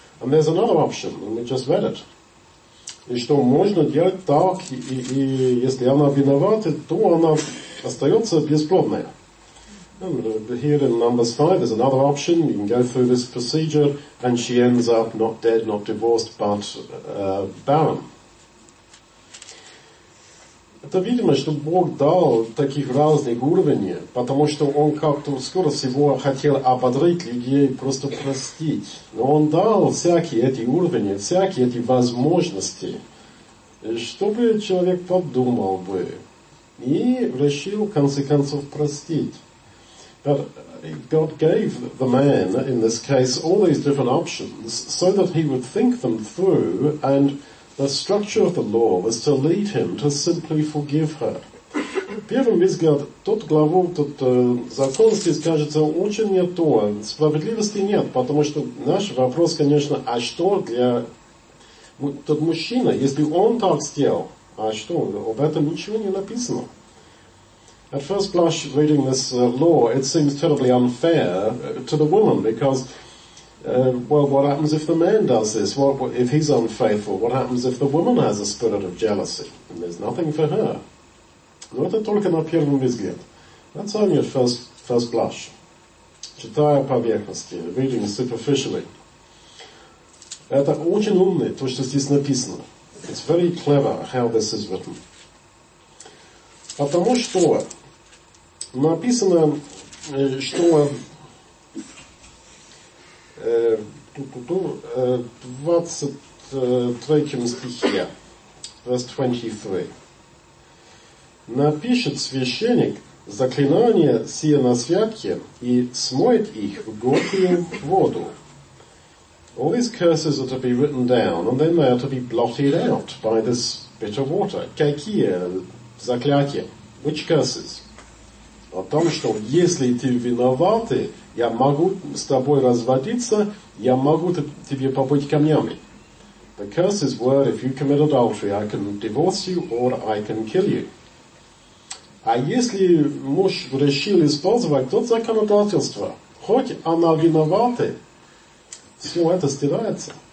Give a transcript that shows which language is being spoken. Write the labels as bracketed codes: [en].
[en] And there's another option, and we just read it. [ru] И что можно делать так, и если она виновата, то она остается бесплодная. [en] And here in Numbers 5 is another option. You can go through this procedure and she ends up not dead, not divorced, but barren. [ru] Это видимо, что Бог дал таких разных уровней, потому что Он как-то скоро всего хотел ободрить людей, просто простить. Но Он дал всякие эти уровни, всякие эти возможности, чтобы человек подумал бы и решил, в конце концов, простить. [en] But God gave the man, in this case, all these different options so that he would think them through, and the structure of the law was to lead him to simply forgive her. [ru] В первом взгляде, тот главу, тот закон здесь кажется очень не то. Справедливости нет, потому что наш вопрос, конечно, а что для... Тот мужчина, если он так сделал, а что? Об этом ничего не написано. [en] At first blush, reading this law, it seems terribly unfair to the woman because, well, what happens if the man does this? What if he's unfaithful? What happens if the woman has a spirit of jealousy? And there's nothing for her. [ru] Но это только на первом взгляде. [en] That's only at first blush. [ru] Читая поверхности, [en] reading superficially. [ru] Это очень умно, то, что здесь написано. [en] It's very clever how this is written. [ru] Потому что написано, что в 23 стихе, напишет священник заклинание сие на святке и смоет их в горькую воду. [en] All these curses are to be written down, and then they are to be blotted out by this bitter water. [ru] Какие заклятия? [en] Which curses? [ru] О том, что если ты виноват, я могу с тобой разводиться, я могу тебе побыть камнями. [en] The curses were, if you commit adultery, I can divorce you or I can kill you. [ru] А если муж решил использовать то законодательство, хоть она виновата, все это стирается.